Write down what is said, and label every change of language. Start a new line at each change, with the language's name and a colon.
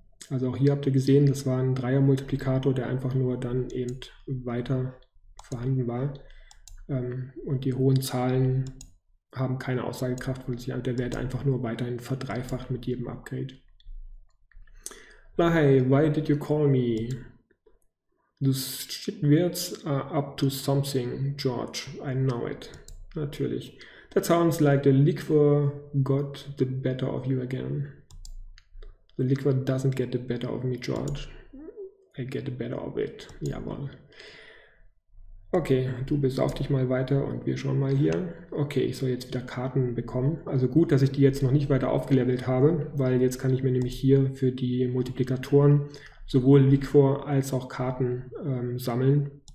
German: Also auch hier habt ihr gesehen, das war ein Dreier-Multiplikator, der einfach nur dann eben weiter vorhanden war. Und die hohen Zahlen haben keine Aussagekraft, weil sich der Wert einfach nur weiterhin verdreifacht mit jedem Upgrade.
English: Hey, why did you call me? This shit words are up to something, George. I know it.
German: Natürlich.
English: That sounds like the liquor got the better of you again. The liquor doesn't get the better of me, George. I get the better of it.
German: Jawohl. Okay, du besauf dich mal weiter und wir schauen mal hier. Okay, ich soll jetzt wieder Karten bekommen. Also gut, dass ich die jetzt noch nicht weiter aufgelevelt habe, weil jetzt kann ich mir nämlich hier für die Multiplikatoren sowohl Liquor als auch Karten sammeln.